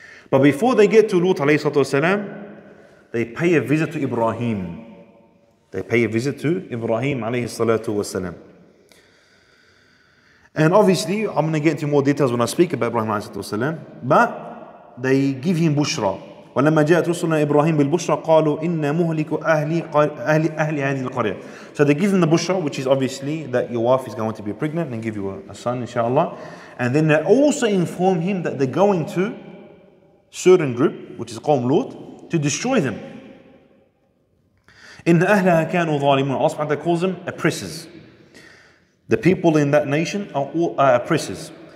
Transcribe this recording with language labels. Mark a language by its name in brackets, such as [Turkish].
[English] But before they get to Lut alayhi salatu wasalam, they pay a visit to Ibrahim. They pay a visit to Ibrahim alayhi salatu wasalam. And obviously, I'm going to get into more details when I speak about Ibrahim alayhi salatu wasalam. But they give him bushra. [Arabic] ولما جاءت رسلنا إبراهيم بالبشرى قالوا إن مهلك أهل أهل هذه القرية. [English] So they give him the bushra, which is obviously that your wife is going to be pregnant and give you a son, inshallah. And then they also inform him that they're going to certain group, which is Qawm Lut, to destroy them. [Arabic] إن أهلها كانوا ظالمون. [English] Allah subhanahu wa ta'ala calls them oppressors. The people in that nation are oppressors.